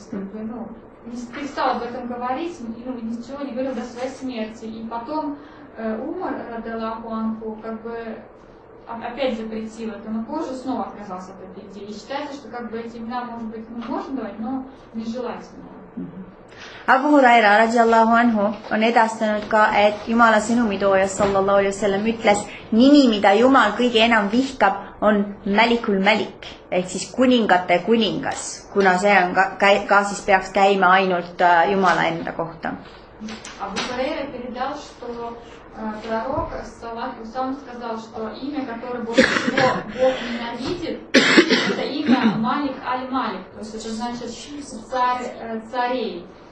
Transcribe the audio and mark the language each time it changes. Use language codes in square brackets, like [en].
[ru] Да, не перестал об этом говорить, ничего не говорил до своей смерти. И потом Умар радиаллаху анху опять запретил это, но позже снова отказался от этой идеи. И считается, что эти имена, может быть, можно давать, но нежелательно. [et] Abu Huraira radiyallahu anhu on edastanud ka, et Jumala sõnumitooja sallallahu alaihi wasallam ütles, nimi, mida Jumal kõige enam vihkab, on Malikul Malik, ehk siis kuningate kuningas, kuna see on ka siis peaks käima ainult Jumala enda kohta. [ru] Abu Huraira передал, что пророк саллаллаху алейхи ва саллям сказал, что имя, которое Бог ненавидит, это имя Малик аль-Малик, то есть это значит царей.